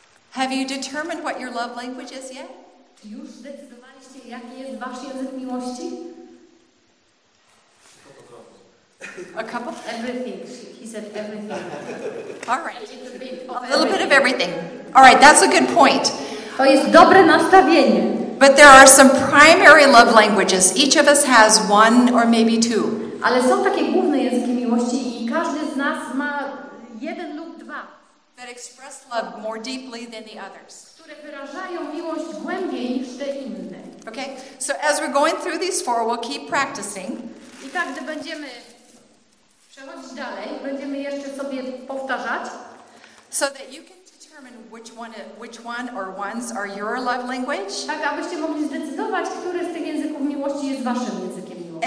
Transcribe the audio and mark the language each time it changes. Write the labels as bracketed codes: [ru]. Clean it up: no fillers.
[en] Have you determined what your love language is yet? [pl] Czy już zdecydowaliście, jaki jest wasz język miłości? [en] A cup of everything. He said everything. All right. A little bit of everything. All right, that's a good point. [pl] To jest dobre nastawienie. [en] But there are some primary love languages. Each of us has one or maybe two. [pl] Ale są takie główne języki miłości i każdy z nas ma jeden lub dwa. [en] That express love more deeply than the others. [pl] Które wyrażają miłość głębiej niż te inne. [en] Okay, so as we're going through these four, we'll keep practicing. [pl] I tak, gdy będziemy przechodzić dalej, będziemy jeszcze sobie powtarzać. [en] So that you can determine which one or ones are your love language. [pl] Tak, abyście mogli zdecydować, który z tych języków miłości jest waszym językiem miłości.